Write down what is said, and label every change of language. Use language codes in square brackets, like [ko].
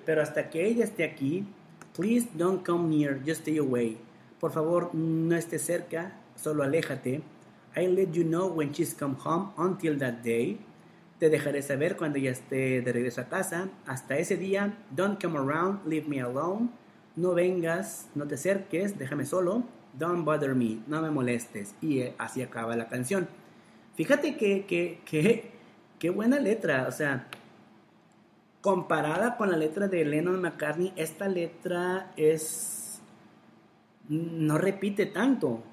[es] Pero hasta que ella esté aquí. [en] Please don't come near. Just stay away. [es] Por favor, no estés cerca. Solo aléjate. [en] I'll let you know when she's come home until that day. [es] Te dejaré saber cuando ella esté de regreso a casa. Hasta ese día, [en] don't come around, leave me alone. [es] No vengas, no te acerques, déjame solo. [en] Don't bother me, [es] no me molestes. Y así acaba la canción. Fíjate que buena letra, o sea, comparada con la letra de Lennon McCartney, esta letra es, no repite tanto.